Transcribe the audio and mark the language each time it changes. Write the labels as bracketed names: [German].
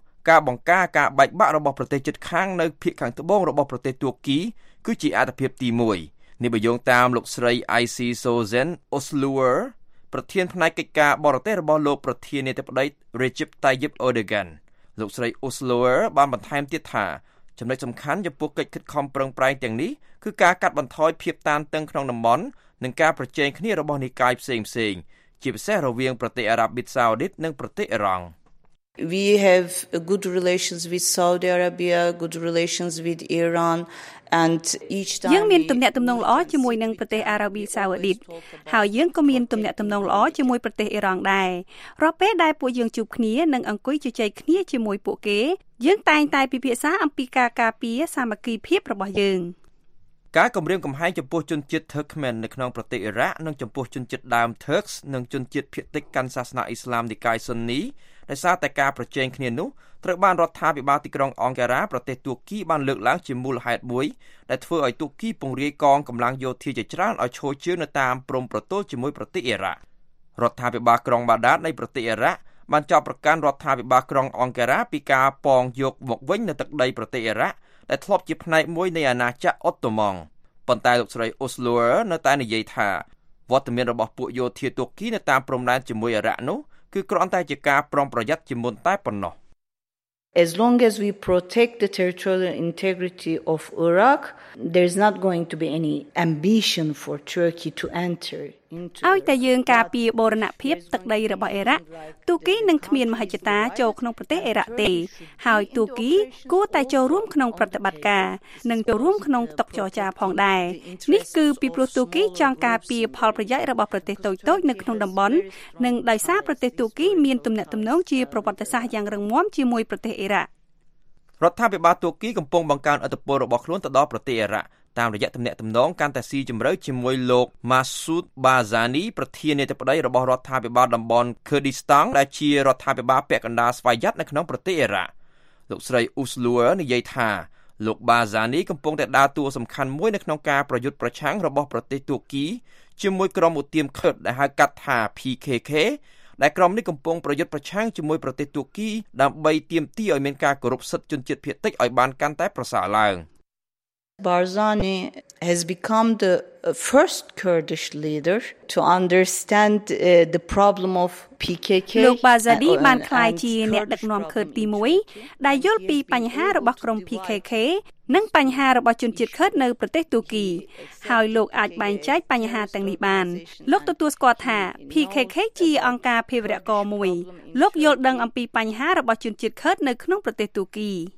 [Khmer] ការបង្ការការបែកបាក់របស់ប្រទេសជិតខាងនៅភាគខាងត្បូងរបស់ប្រទេសទួរគីគឺជាអាទិភាពទី1នេះបយងតាមលោកស្រី IC Sozen Osluer ប្រធានផ្នែកកិច្ចការបរទេសរបស់លោកប្រធាននាយកប្រតិភូ Recep Tayyip Erdogan លោកស្រី Osluer បានបន្ថែមទៀតថាចំណុចសំខាន់ចំពោះកិច្ចខិតខំប្រឹងប្រែងទាំងនេះគឺការកាត់បន្ថយភាពតានតឹងក្នុងតំបន់និងការប្រជែងគ្នារបស់និកាយផ្សេងៗជាពិសេសរវាងប្រទេសអារ៉ាប៊ីសាអូឌីតនិងប្រទេសអ៊ីរ៉ង់ [English] We have a good relations with Saudi Arabia, good relations with Iran and each time [Khmer] យើងមានទំនាក់ទំនងល្អជាមួយនឹងប្រទេសអារ៉ាប៊ីសាអូឌីតហើយយើងក៏មានទំនាក់ទំនងល្អជាមួយប្រទេសអ៊ីរ៉ង់ដែររាល់ពេលដែលពួកយើងជួបគ្នានិងអង្គុយជជែកគ្នាជាមួយពួកគេយើងតែងតែពិភាក្សាអំពីការការពារសាមគ្គីភាពរបស់យើង ការគម្រាមកំហែងចំពោះជនជាតិ Turkmen នៅក្នុងប្រទេសអ៊ីរ៉ាក់និងចំពោះជនជាតិដើម Turks និងជនជាតិភាគតិចកាន់សាសនាអ៊ីស្លាមនិកាយ Sunni ដោយសារតែការប្រជែងគ្នានោះត្រូវបានរដ្ឋាភិបាលទីក្រុងអង្ការ៉ាប្រទេសទួរគីបានលើកឡើងជាមូលហេតុមួយដែលធ្វើឲ្យទួរគីពង្រាយកងកម្លាំងយោធាជាច្រើនឲ្យឈរជើងនៅតាមព្រំប្រទល់ជាមួយប្រទេសអ៊ីរ៉ាក់រដ្ឋាភិបាលក្រុងបាដាតនៃប្រទេសអ៊ីរ៉ាក់ បានចោទប្រកាន់រដ្ឋាភិបាលក្រុងអង្ការ៉ាពីការប៉ងយកមកវិញនៅទឹកដីប្រទេសអ៊ីរ៉ាក់ដែលធ្លាប់ជាផ្នែកមួយនៃអាណាចក្រអូតូម៉ង់ប៉ុន្តែលោកស្រីអូស្លូនៅតែនិយាយថាវត្តមានរបស់ពួកយោធាទួរគីនៅតាមព្រំដែនជាមួយអ៊ីរ៉ាក់នោះគឺគ្រាន់តែជាការប្រុងប្រយ័ត្នជាមុនតែប៉ុណ្ណោះ [English] As long as we protect the territorial integrity of Iraq, there's not going to be any ambition for Turkey to enter into. [Khmer] ឲ្យតែយើងការពារបូរណភាពទឹកដីរបស់អ៊ីរ៉ាក់ទូគីនឹងគ្មានមហិច្ឆតាចូលក្នុងប្រទេសអ៊ីរ៉ាក់ទេហើយទូគីគួរតែចូលរួមក្នុងប្រតិបត្តិការនិងចូលរួមក្នុងតុចរចាផងដែរនេះគឺពីព្រោះទូគីចង់ការពារផលប្រយោជន៍របស់ប្រទេសតូចៗនៅក្នុងតំបន់និងដោយសារប្រទេសទូគីមានទំនាក់ទំនងជាប្រវត្តិសាស្ត្រយ៉ាងរឹងមាំជាមួយប្រទេសអ៊ីរ៉ាក់ រដ្ឋាភិបាលទួគីកំពុងបង្កើនឥទ្ធិពលរបស់ខ្លួនទៅដល់ប្រទេសអ៊ីរ៉ាក់តាមរយៈទំនាក់ទំនងកាន់តែស៊ីជម្រៅជាមួយលោក Masoud Barzani ប្រធាននាយកប្រដីរបស់រដ្ឋាភិបាលតំបន់ Kurdistan ដែលជារដ្ឋាភិបាលពាក់កណ្ដាលស្វ័យយ័តនៅក្នុងប្រទេសអ៊ីរ៉ាក់លោកស្រី Uslu និយាយថាលោក Barzani កំពុងតែដើរតួសំខាន់មួយនៅក្នុងការប្រយុទ្ធប្រឆាំងរបស់ប្រទេសទួគីជាមួយក្រុមឧទាម Kurd ដែលហៅកាត់ថា PKK ដែលក្រុមនេះកំពុងប្រយុទ្ធប្រឆាំងជាមួយប្រទេសទួរគីដើម្បីទាមទារឲ្យមានការគោរពសិទ្ធិជនជាតិភាគតិចឲ្យបានកាន់តែប្រសើរឡើង [English] Barzani has become the first Kurdish leader to understand the problem of PKK [Khmer] លោក Barzani បានក្លាយជាអ្នកដឹកនាំខឺតទី1ដែលយល់ពីបញ្ហារបស់ក្រុម PKK និងបញ្ហារបស់ជនជាតិខឺតនៅប្រទេសទួរគីហើយលោកអាចបែងចែកបញ្ហាទាំងនេះបានលោកទទួលស្គាល់ថា PKK ជាអង្គការភេរវកម្មមួយលោកយល់ដឹងអំពីបញ្ហារបស់ជនជាតិខឺតនៅក្នុងប្រទេសទួរគី